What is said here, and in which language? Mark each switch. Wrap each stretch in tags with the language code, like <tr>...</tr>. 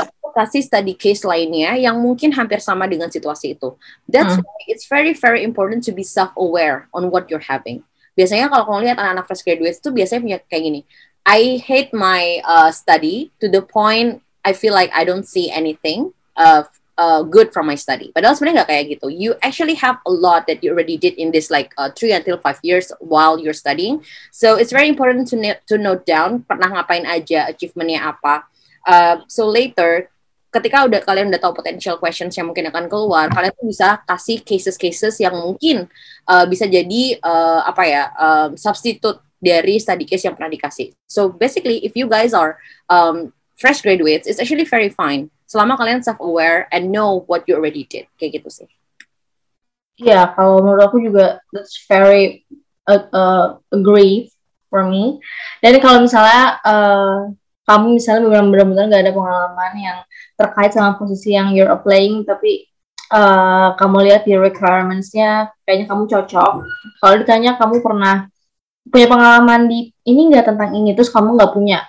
<id>Kasih study case lainnya yang mungkin hampir sama dengan situasi itu.</id> <en>That's why it's very very important to be self aware on what you're having.</en> <id>Biasanya kalau kamu lihat anak-anak fresh graduate itu biasanya punya kayak gini.</id> <en>I hate my study to the point I feel like I don't see anything good from my study.</en> <id>Padahal sebenarnya nggak kayak gitu.</id> <en>You actually have a lot that you already did in this like 3 until 5 years while you're studying. So it's very important to note down</en> <id>pernah ngapain aja, achievementnya apa.</id> <en>So later,</en> <id>ketika udah kalian udah tahu</id> <en>potential questions</en> <id>yang mungkin akan keluar, kalian tuh bisa kasih cases-cases yang mungkin bisa jadi substitute dari study case yang pernah dikasih.</id> <en>So basically, if you guys are fresh graduates, it's actually very fine</en> <id>selama kalian</id> <en>self-aware and know what you already did.</en> <id>Kayak gitu sih. Iya, kalau menurut aku juga</id> <en>that's very agree for me.</en> <id>Dan kalau misalnya kamu misalnya benar-benar nggak ada pengalaman yang terkait sama posisi yang</id> <en>you're applying,</en> <id>tapi kamu lihat di requirements-nya, kayaknya kamu cocok. Kalau ditanya, kamu pernah punya pengalaman di ini nggak tentang ini, terus kamu nggak punya.</id>